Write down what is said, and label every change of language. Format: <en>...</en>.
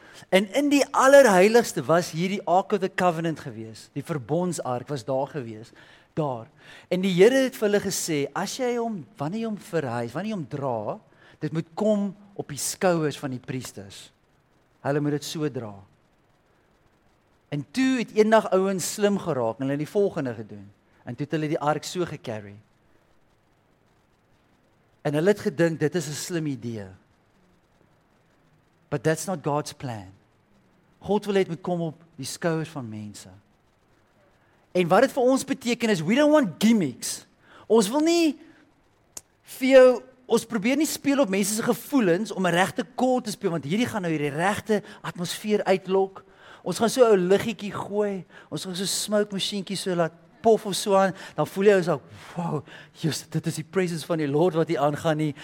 <af>En in die allerheiligste was hierdie Ark of the Covenant gewees, die verbondsark was daar gewees. Daar. En die Here het vir hulle gesê, as jy hom, wanneer jy hom verhuis, wanneer jy hom dra, dit moet kom op die skouers van die priesters. Hulle moet dit so dra. En toe het eendag ouens slim geraak, en hulle het die volgende gedoen. En toe het hulle die ark so gecarry. En hulle het gedink, dit is 'n slim idee.</af> <en>But that's not God's plan.</en> <af>God wil het moet kom op die skouers van mense. En wat dit vir ons beteken is,</af> <en>we don't want gimmicks.</en> <af>Ons wil nie vir jou, ons probeer nie speel op mense se gevoelens om 'n regte koord te speel, want hierdie gaan nou hierdie regte atmosfeer uitlok. Ons gaan so 'n ou liggietjie gooi, ons gaan so 'n smoke masjienkie so laat pof of so aan, dan voel jy ons al, wow, just, dit is die presence van die Lord wat hier aangaan nie.</af>